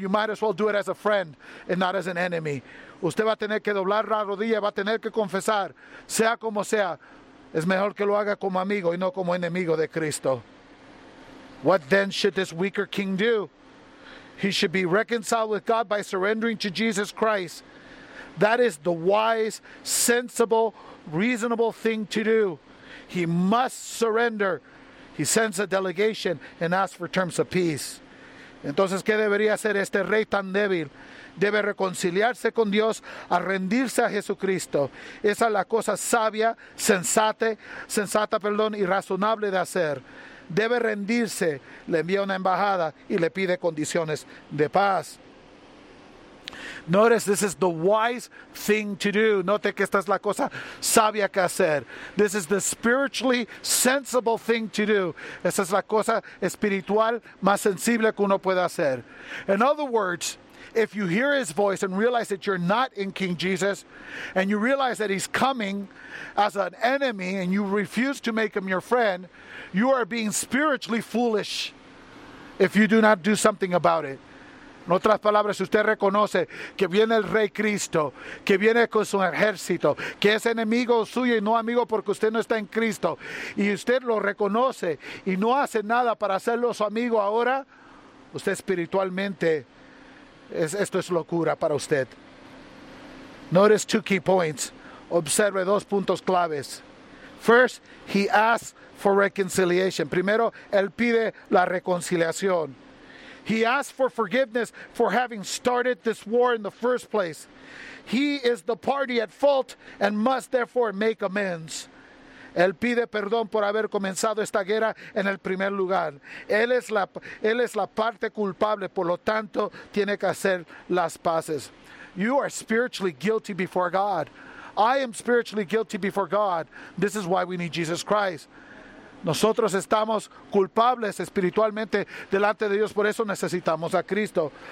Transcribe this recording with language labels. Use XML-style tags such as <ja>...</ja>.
<en>You might as well do it as a friend and not as an enemy.</en> <es>Usted va a tener que doblar la rodilla, va a tener que confesar, sea como sea. Es mejor que lo haga como amigo y no como enemigo de Cristo.</es> <en>What then should this weaker king do? He should be reconciled with God by surrendering to Jesus Christ. That is the wise, sensible, reasonable thing to do. He must surrender. He sends a delegation and asks for terms of peace.</en> <es>Entonces, ¿qué debería hacer este rey tan débil? debe reconciliarse con Dios a rendirse a Jesucristo. Esa es la cosa sabia, sensata, y razonable de hacer. Debe rendirse, le envía una embajada y le pide condiciones de paz.</es> <en>Notice, this is the wise thing to do.</en> <es>Note que esta es la cosa sabia que hacer.</es> <en>This is the spiritually sensible thing to do.</en> <es>Esta es la cosa espiritual más sensible que uno puede hacer.</es> <en>In other words, if you hear his voice and realize that you're not in King Jesus, and you realize that he's coming as an enemy, and you refuse to make him your friend, you are being spiritually foolish if you do not do something about it.</en> <es>En otras palabras, si usted reconoce que viene el Rey Cristo, que viene con su ejército, que es enemigo suyo y no amigo porque usted no está en Cristo, y usted lo reconoce y no hace nada para hacerlo su amigo ahora, usted espiritualmente, esto es locura para usted.</es> <en>Notice two key points.</en> <es>Observe dos puntos claves.</es> <en>First, he asks for reconciliation.</en> <es>Primero, él pide la reconciliación.</es> <en>He asked for forgiveness for having started this war in the first place. He is the party at fault and must therefore make amends.</en> <es>Él pide perdón por haber comenzado esta guerra en el primer lugar. Él es la parte culpable, por lo tanto, tiene que hacer las paces.</es> <en>You are spiritually guilty before God. I am spiritually guilty before God. This is why we need Jesus Christ.</en> <es>Nosotros estamos culpables espiritualmente delante de Dios, por eso necesitamos a Cristo.</es>